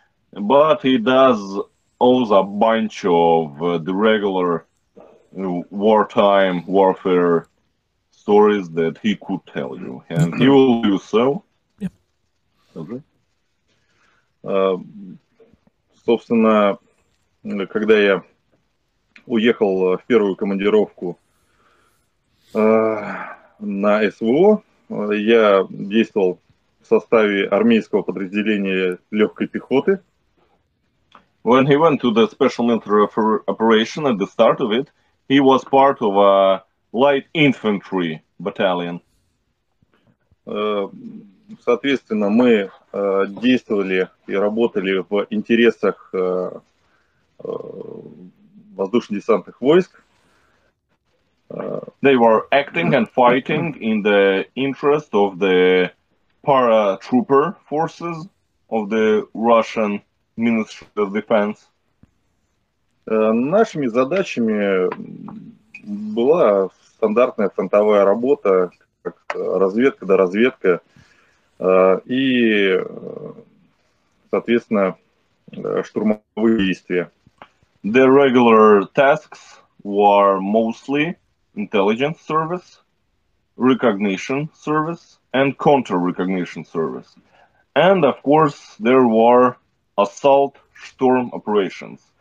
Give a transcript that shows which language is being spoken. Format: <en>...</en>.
<en>But he does owes a bunch of the regular wartime warfare stories that he could tell you, and he will do so. Yep. Okay.</en> <ru>Собственно, когда я уехал в первую командировку на СВО, я действовал в составе армейского подразделения легкой пехоты.</ru> <en>When he went to the special military operation at the start of it, he was part of a light infantry battalion.</en> <ru>Соответственно, мы действовали и работали в интересах воздушно-десантных войск.</ru> <en>They were acting and fighting in the interest of the paratrooper forces of the Russian Ministry of Defense.</en> <ru>Нашими задачами была стандартная фронтовая работа, как разведка, да разведка. И, соответственно, штурмовые действия.</ru> <en>The regular tasks were mostly intelligence service, recognition service, and counter-recognition service. And, of course, there were assault storm operations.</en>